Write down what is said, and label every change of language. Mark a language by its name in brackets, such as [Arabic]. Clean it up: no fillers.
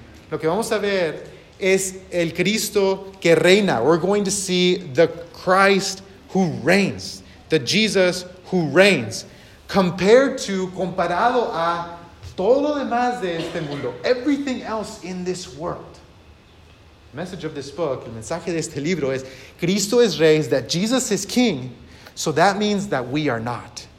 [Spanish] Lo que vamos a ver es el Cristo que reina. [English] We're going to see the Christ who reigns. The Jesus who reigns. [Spanish] Comparado a todo lo demás de este mundo. [English] Everything else in this world. The message of this book, [Spanish] el mensaje de este libro es, Cristo es rey, [English] that Jesus is king, so that means that we are not.